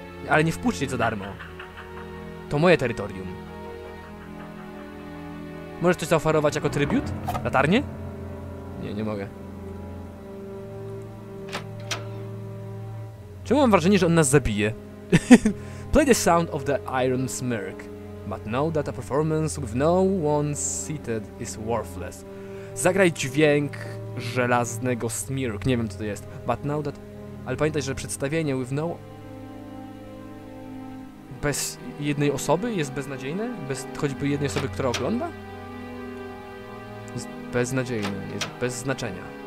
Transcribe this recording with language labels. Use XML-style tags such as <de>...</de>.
<pl>Ale nie wpuśćcie za darmo. To moje terytorium. Możesz coś zaoferować jako trybiut? Latarnie? Nie mogę. Czemu mam wrażenie, że on nas zabije?</pl> <en>Play the sound of the iron smirk. But know that a performance with no one seated is worthless.</en> <pl>Zagraj dźwięk żelaznego smirk. Nie wiem, co to jest.</pl> <en>But know that...</en> <pl>Ale pamiętaj, że przedstawienie</pl> <en>with no...</en> <pl>Bez jednej osoby jest beznadziejne? Bez choćby jednej osoby, która ogląda? Beznadziejne. Jest bez znaczenia.</pl>